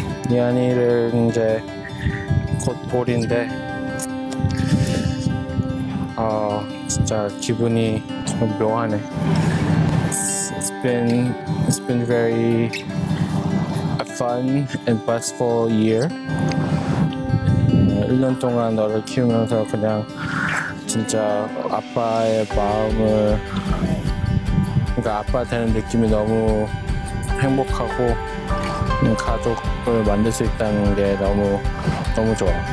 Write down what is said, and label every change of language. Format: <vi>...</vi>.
<ko>니안이를 이제 곧 볼인데 진짜 기분이 좀 묘하네.</ko> <en>It's been very a fun and blissful year.</en> <ko>1년 동안 너를 키우면서 그냥 진짜 아빠의 마음을 그러니까 아빠 되는 느낌이 너무 행복하고 가족을 만들 수 있다는 게 너무 너무 좋아.</ko>